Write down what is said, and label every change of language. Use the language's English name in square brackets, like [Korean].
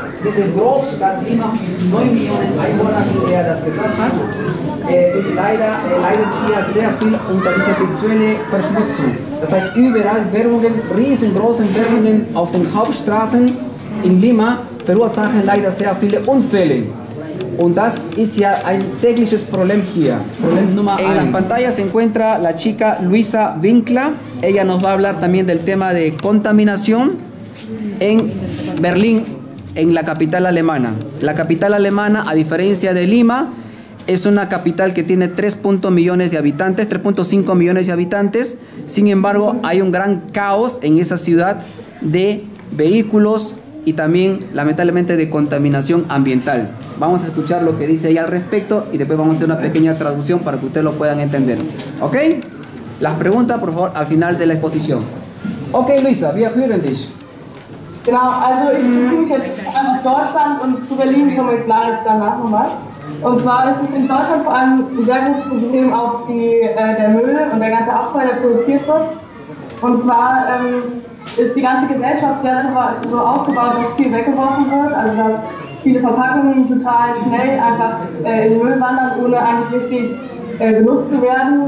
[German] Diese Großstadt Lima mit 9 Millionen Einwohnern, wie er das gesagt hat, ist leider, leidet hier sehr viel unter dieser visuelle Verschmutzung. Das heißt, überall Wärmungen, riesengroße Wärmungen auf den Hauptstraßen in Lima verursachen leider sehr viele Unfälle. Und das ist ja ein tägliches Problem hier. Problem Nummer 1. [Spanish] En las pantallas se encuentra la chica Luisa Winkler. Ella nos va a hablar también del tema de contaminación en Berlín, en la capital alemana. La capital alemana, a diferencia de Lima, es una capital que tiene 3.5 millones de habitantes. Sin embargo, hay un gran caos en esa ciudad de vehículos y también, lamentablemente, de contaminación ambiental. Vamos a escuchar lo que dice ella al respecto y después vamos a hacer una pequeña traducción para que ustedes lo puedan entender. ¿Ok? Las preguntas, por favor, al final de la exposición. [German] Ok, Luisa, wir hören dich. Genau, also ich beziehe mich jetzt nach Deutschland und zu Berlin komme ich gleich danach nochmal. Und zwar ist es in Deutschland vor allem ein sehr großes Problem auf die, der Müll und der ganze Abfall, der produziert wird. Und zwar ist die ganze Gesellschaft sehr so aufgebaut, dass viel weggeworfen wird, also dass viele Verpackungen total schnell einfach in den Müll wandern, ohne eigentlich richtig genutzt zu werden.